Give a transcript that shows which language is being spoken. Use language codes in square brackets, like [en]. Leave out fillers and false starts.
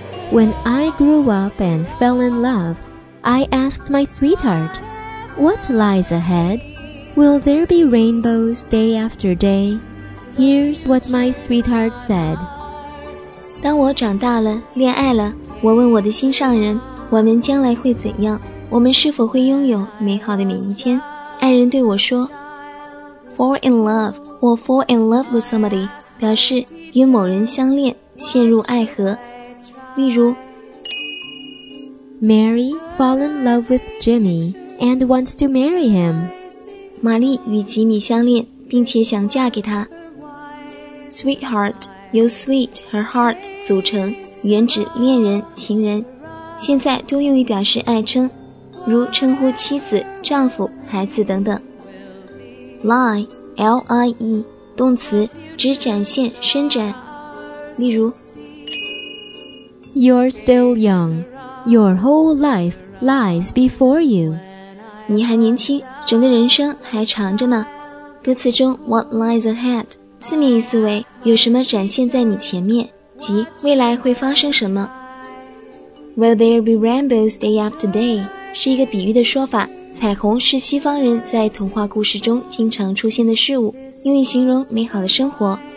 [en] When I grew up and fell in love, I asked my sweetheart, what lies ahead? Will there be rainbows day after day? Here's what my sweetheart said. [zh] 当我长大了，恋爱了，我问我的心上人，我们将来会怎样？我们是否会拥有美好的每一天？爱人对我说， [en] Fall in love, or fall in love with somebody, [zh] 表示与某人相恋，陷入爱河。例如 [en] Mary fall in love with Jimmy and wants to marry him. [zh] 玛丽与吉米相恋，并且想嫁给他。Sweetheart 由 sweet 和 heart 组成，原指恋人、情人，现在多用于表示爱称，如称呼妻子、丈夫、孩子等等。 Lie, L-I-E, 动词，指展现、伸展。例如 [en] You're still young. Your whole life lies before you. [zh] 你还年轻，整个人生还长着呢。歌词中 [en] what lies ahead [zh] 字面意思为有什么展现在你前面，即未来会发生什么。 [en] Will there be rainbows day after day [zh] 是一个比喻的说法，彩虹是西方人在童话故事中经常出现的事物，用于形容美好的生活。